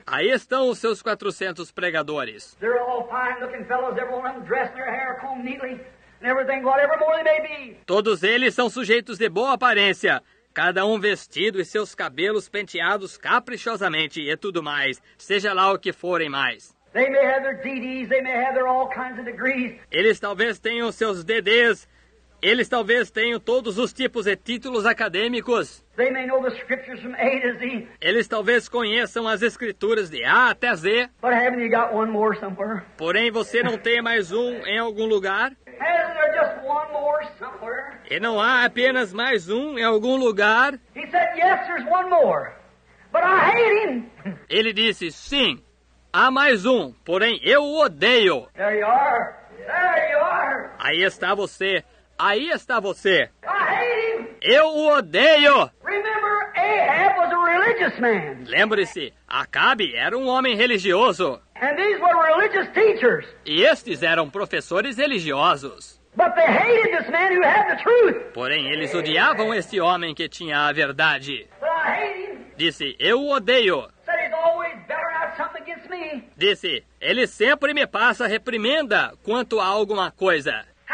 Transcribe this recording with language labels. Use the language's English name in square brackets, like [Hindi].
[Portuguese] Aí estão os seus 400 pregadores. [English] They're all fine looking fellows, everyone of them dressed their hair combed neatly and everything, whatever more they may be. [Portuguese] Todos eles são sujeitos de boa aparência. Cada um vestido e seus cabelos penteados caprichosamente e tudo mais, seja lá o que forem mais. [English] They may have their DDs, they may have their all kinds of degrees. [Portuguese] Eles talvez tenham seus DDs, eles talvez tenham todos os tipos de títulos acadêmicos. [English] They may know the scriptures from A to Z. [Portuguese] Eles talvez conheçam as escrituras de A até Z. [English] But haven't you got one more somewhere? [Portuguese] Porém, você não tem mais um em algum lugar? [English] Isn't there just one more somewhere? [Portuguese] E não há apenas mais um em algum lugar? [English] He said, yes, there's one more. But I hate him. [Portuguese] Ele disse, sim, há mais um, porém eu o odeio. [English] There you are. There you are. [Portuguese] Aí está você. Aí está você. [English] I hate him. [Portuguese] Eu o odeio. [English] Remember, Ahab was a religious man. [Portuguese] Lembre-se, Acabe era um homem religioso. [English] And these were religious teachers. [Portuguese] E estes eram professores religiosos. [English] But they hated this man who had the truth. [Portuguese] Porém, eles odiavam este homem que tinha a verdade. [English] But I hate him. [Portuguese] Disse, eu o odeio. [English] Said he's always better at something against me. [Portuguese] Disse, ele sempre me passa reprimenda quanto a alguma coisa.